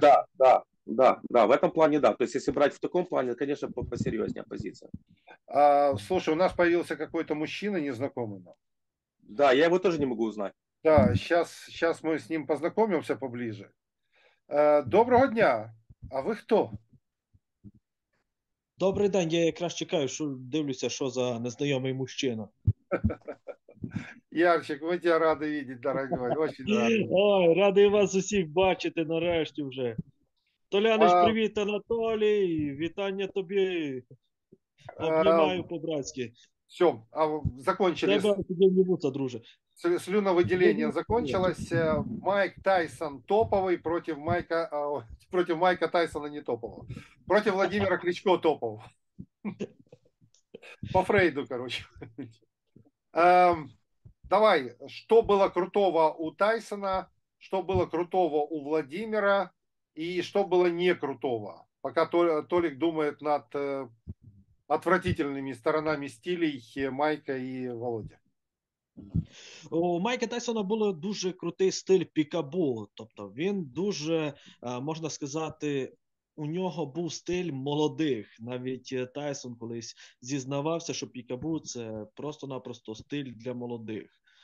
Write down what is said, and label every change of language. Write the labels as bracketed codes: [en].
[ru] Да, да. Да, да, в этом плане да. То есть, если брать в таком плане, конечно, посерьезнее позиция. А, слушай, у нас появился какой-то мужчина незнакомый нам. Да, я его тоже не могу узнать. Да, сейчас мы с ним познакомимся поближе. Доброго дня! А вы кто? [uk] Добрий день, я якраз чекаю, що дивлюся, що за незнайомий мужчина. Ярчик, ми тебе раді видіти, дорогой, дуже раді. Ой, радий вас усіх бачити нарешті вже. Толяниш, привіт, Анатолій, вітання тобі, обнімаю по-братськи. [ru] Все, а закончили. [uk] Треба тобі не бути, друже. [ru] Слюновиділення закончилось, Майк Тайсон топовий против Майка Тайсона не топового. Против Владимира Кличко топового. По Фрейду, короче. Давай, что было крутого у Тайсона, что было крутого у Владимира? И что было не крутого, пока Толик думает над отвратительными сторонами стилей Майка и Володя? [uk] У Майка Тайсона був дуже крутий стиль пікабу. Тобто він дуже, можна сказати, у нього був стиль молодих. Навіть Тайсон колись зізнавався, що пікабу – це просто-напросто стиль для молодих.